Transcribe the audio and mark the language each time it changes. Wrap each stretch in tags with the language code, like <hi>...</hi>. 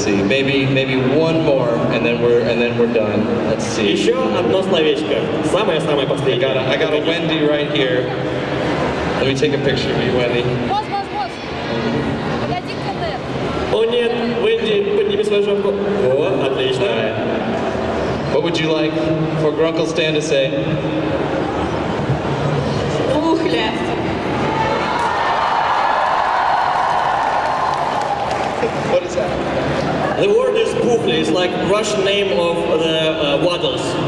<en>Maybe one more, and then we're done. Let's see.</en> <ru>Еще одно словечко. Самое последнее.</ru> <en>I got a Wendy right here. Let me take a picture of you, Wendy.</en> <ru>Босс. Я диктатор. О нет, Wendy, подними свою жопку. О, отлично.</ru> <en>What would you like for Grunkelstan to say? What is that? The word is "pufle." It's like Russian name of the waddles.</en>